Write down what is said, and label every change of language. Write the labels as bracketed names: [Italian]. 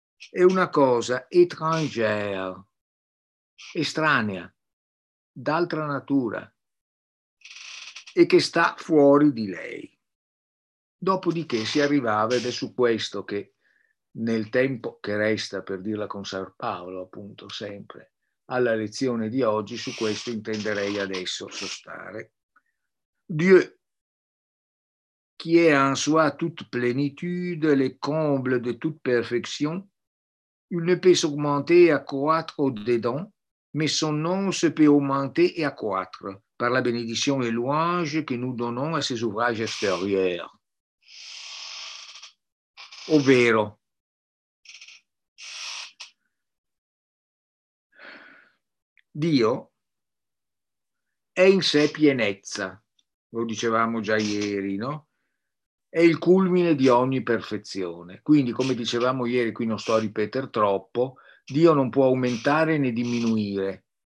[Italian] È una cosa étrangère, estranea, d'altra natura, e che sta fuori di lei. Dopodiché si arrivava, ed è su questo che nel tempo che resta, per dirla con San Paolo appunto sempre, alla lezione di oggi, su questo intenderei adesso sostare. [French] Dieu, qui est en soi toute plénitude, le comble de toute perfection, il ne peut s'augmenter à croître au-dedans, mais son nom se peut augmenter et accroître par la bénédiction et louange que nous donnons à ses ouvrages extérieurs. [Italian] Ovvero, Dio è in sé pienezza, lo dicevamo già ieri, no? È il culmine di ogni perfezione. Quindi, come dicevamo ieri, qui non sto a ripetere troppo, Dio non può aumentare né diminuire.